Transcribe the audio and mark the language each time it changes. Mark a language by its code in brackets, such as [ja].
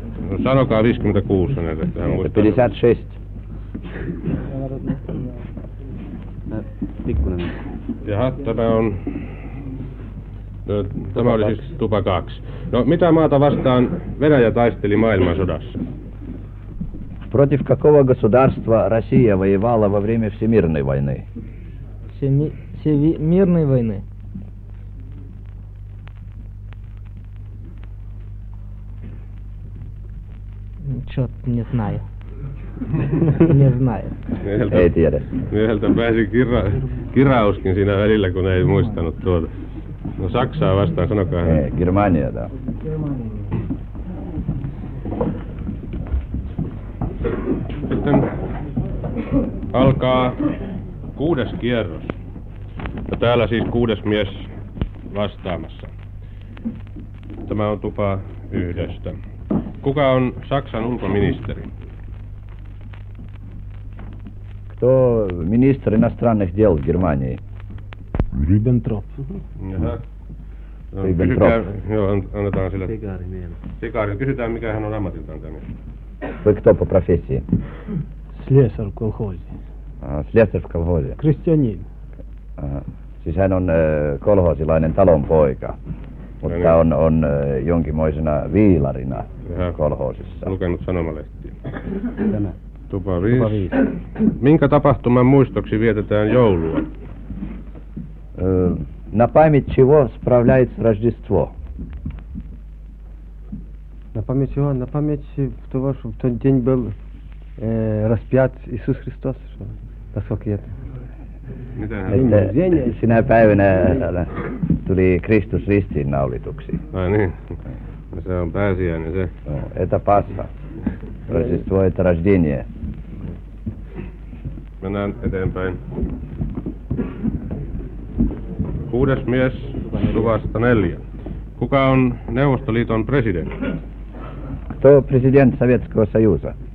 [fi] No sanokaa 56, hän muistaa. 56. Pikkunen. Jaha, tämä on... Tämä oli siis tupa 2. No mitä maata vastaan Venäjä taisteli maailmansodassa? [ru] Против какого государства Россия воевала во время всемирной войны? Всемирной войны? Чё-то не знаю. Не знаю. [fi] Ei tiedä. Mieheltä pääsi kirauskin siinä välillä, kun ei muistanut tuota. No Saksaa vastaan, sanokaa. Ei, Germania tää. Sitten alkaa kuudes kierros. Ja täällä siis kuudes mies vastaamassa. Tämä on tupa yhdestä. Kuka on Saksan ulkoministeri? [ru] Кто министр иностранных дел в Германии? Риббентроп. [fi] Риббентроп. Joo, annetaan sille. Sikari mieleen. Sikari. Kysytään, mikä hän on ammatiltaan tämä. [ru] Вы кто по профессии? Слесарь в колхозе. Слесарь в колхозе. Крестьянин. [fi] Siis hän on kolhoosilainen talonpoika. Mutta niin. on jonkinmoisena viilarina kolhoosissa. Lukenut sanomalehtiä. Tämä. Tupa 5. Minkä tapahtuman muistoksi vietetään joulua? [ru] На память чего справляется Рождество? На память чего? На память того, чтобы тот день был распят Иисус Христос, что, насколько я это. [fi] Это сина päivänä tuli Kristus ristiinnaulituksi. Ai niin. Se on pääsiäinen se. [ru] Это Пасха. Рождество это рождение. [fi] Mennään eteenpäin. Kuudes mies, luvasta 4. Kuka on Neuvostoliiton presidentti? [ru] Кто президент Советского Союза?